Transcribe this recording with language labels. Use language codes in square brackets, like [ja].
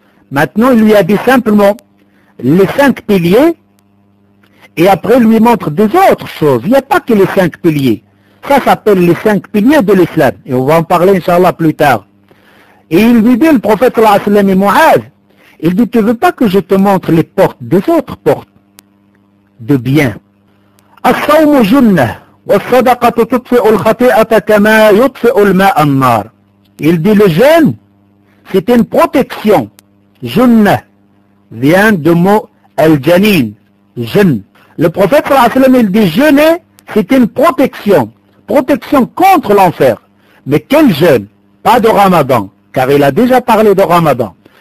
[fr] Maintenant, il lui a dit simplement les cinq piliers, et après, il lui montre des autres choses. Il n'y a pas que les cinq piliers. Ça s'appelle les cinq piliers de l'islam. Et on va en parler, inshallah, plus tard. Et il lui dit, le prophète, sallallahu alayhi wa sallam, et Mu'adh, il dit, tu veux pas que je te montre les portes, des autres portes de bien. [ar] الصوم جنة والصدقة تطفئ الخطيئة كما يطفئ الماء النار. [fr] Il dit le jeûne, c'est une protection. جنة vient du mot al-janin, jeûne. Le prophète صلى الله عليه وسلم, il dit jeûner, c'est une protection. Protection contre l'enfer. Mais quel jeûne? Pas de ramadan, car il a déjà parlé de ramadan.